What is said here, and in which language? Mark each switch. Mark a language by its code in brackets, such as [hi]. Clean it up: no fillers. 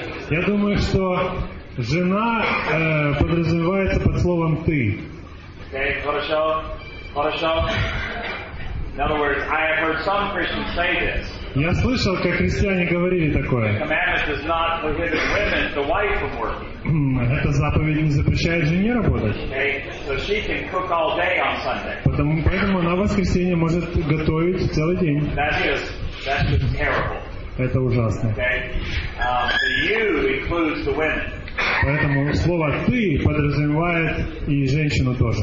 [ru] Я думаю, что жена подразумевается под словом ты. [en] Okay, [ru] хорошо. Хорошо. [en] In other words, I have heard some Christians say this. [ru] Я слышал, как христиане говорили такое. [en] The commandment does not prohibit women, the wife, from working. [ru] Эта заповедь не запрещает жене работать. [en] Okay. So she can cook all day on Sunday. [ru] Поэтому она в воскресенье может готовить целый день. [en] That's just terrible. [ru] Это ужасно. [en] Okay. You includes the women. [ru] Поэтому слово «ты» подразумевает и женщину тоже.